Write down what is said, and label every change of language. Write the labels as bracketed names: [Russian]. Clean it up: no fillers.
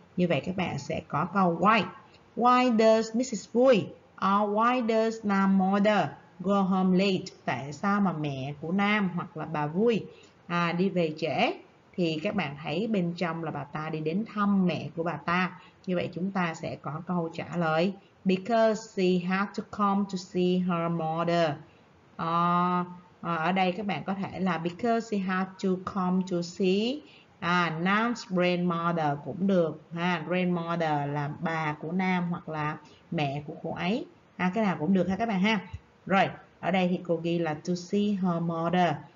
[Vietnamese] Như vậy các bạn sẽ có câu why. [English] Why does Mrs. Vui or why does Nam's mother go home late? [Vietnamese] Tại sao mà mẹ của Nam hoặc là bà Vui đi về trễ? Thì các bạn thấy bên trong là bà ta đi đến thăm mẹ của bà ta. Như vậy chúng ta sẽ có câu trả lời. [English] Because she had to come to see her mother. [Vietnamese] Ở đây các bạn có thể là [English] because she had to come to see Nam's grandmother [Vietnamese] cũng được. Grandmother là bà của Nam hoặc là mẹ của cô ấy. Cái nào cũng được ha các bạn ha. Rồi, ở đây thì cô ghi là [English] to see her mother.